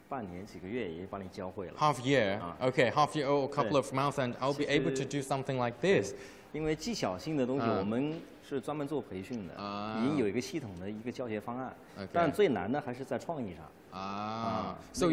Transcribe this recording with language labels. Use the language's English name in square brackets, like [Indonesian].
[Chinese] 待多久？如果只做像一个作品的话，就半年几个月也把你教会了。 [English] Half year, okay, half year or a couple of months, and I'll be able to do something like this. [Chinese] 因为技巧性的东西，我们。是专门做培训的，已经有一个系统的一个教学方案，但最难的还是在创意上。 [English] So